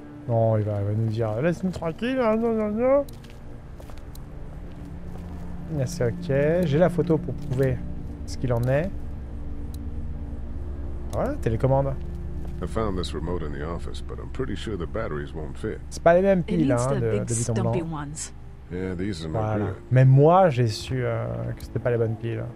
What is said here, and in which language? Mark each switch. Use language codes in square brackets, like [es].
[fr] Non, il va nous dire laisse-nous tranquille. Non. Yeah, c'est ok. J'ai la photo pour prouver ce qu'il en est. Voilà, télécommande. [en] I found this remote in the office, but I'm pretty sure the batteries won't fit. [fr] C'est pas les mêmes piles, hein, de vitam blanc. [en] Yeah, these are [fr] voilà. [en] Not good. [fr] Même moi, j'ai su que c'était pas les bonnes piles.